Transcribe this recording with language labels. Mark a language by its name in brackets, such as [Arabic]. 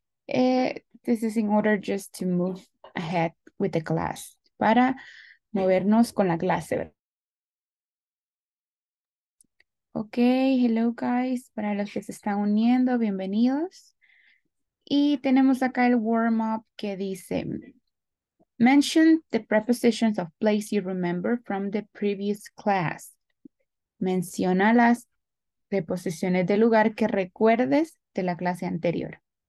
[English] This is in order just to move ahead with the class, [Spanish] para movernos con la clase. Ok, [English] hello guys, [Spanish] para los que se están uniendo, bienvenidos. Y tenemos acá el warm-up que dice... [English] Mention the prepositions of place you remember from the previous class. [Spanish] Menciona las preposiciones de lugar que recuerdes de la clase anterior.